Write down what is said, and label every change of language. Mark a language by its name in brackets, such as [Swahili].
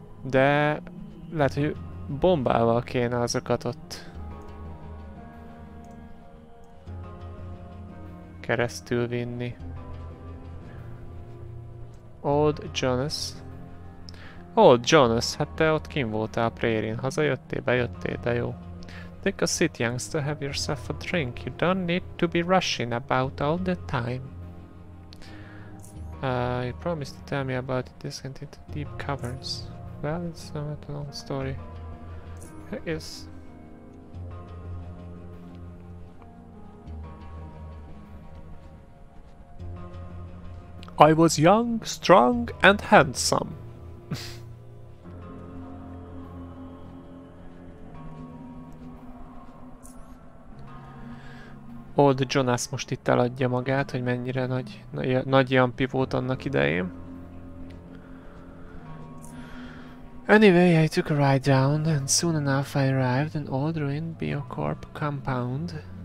[Hungarian] De lehet, hogy bombával kéne azokat ott keresztül vinni. Old Jonas. Old Jonas, hát te ott kim voltál a prérin. Hazajöttél, bejöttél, de jó. [English] Take a seat, youngster, have yourself a drink. You don't need to be rushing about all the time. You promised to tell me about the descent into deep caverns. Well, it's not a long story. Yes. I was young, strong and handsome. [Hungarian] Old Jonas most itt eladja magát, hogy mennyire nagy jampi volt annak idején. [English] Anyway, I took a ride down and soon enough I arrived an old ruined Biocorp compound.